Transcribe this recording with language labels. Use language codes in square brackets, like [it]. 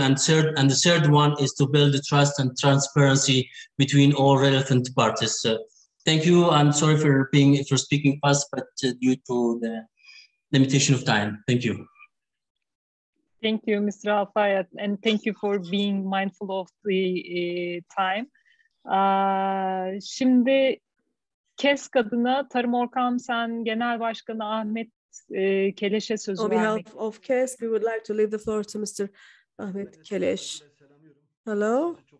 [en] And the third one is to build the trust and transparency between all relevant parties. Thank you. I'm sorry for speaking fast, but due to the limitation of time. Thank you. Thank you, Mr. Alfayat, and thank you for being mindful of the time. [tr] Şimdi KESK adına Tarım Orkam Sen Genel Başkanı Ahmet Keleş'e söz [en] On behalf of KESK, we would like to leave the floor to Mr. Ahmet Keleş. Hello.